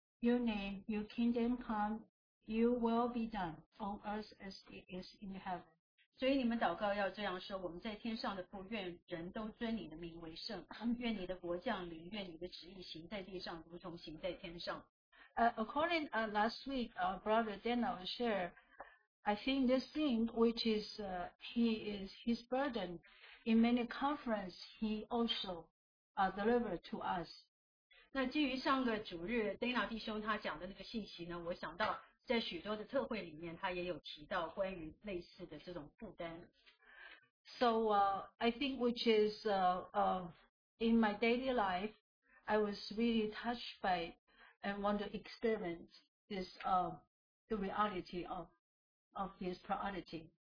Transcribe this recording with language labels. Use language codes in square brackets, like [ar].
[en] Your name, your kingdom come, your will be done on earth as it is in heaven. [zh] 所以你们祷告要这样说,我们在天上的父,愿人都尊你的名为圣,愿你的国降临,愿你的旨意行在地上,如同行在天上。 [en] According last week, Brother Daniel shared, I think this thing, which is his burden, in many conferences, he also delivered to us. [zh] 那基于上个主日,Dana弟兄他讲的那个信息呢,我想到, 在许多的特会里面, [en] so I think which is in my daily life, I was really touched by and want to experience this the reality of his priority.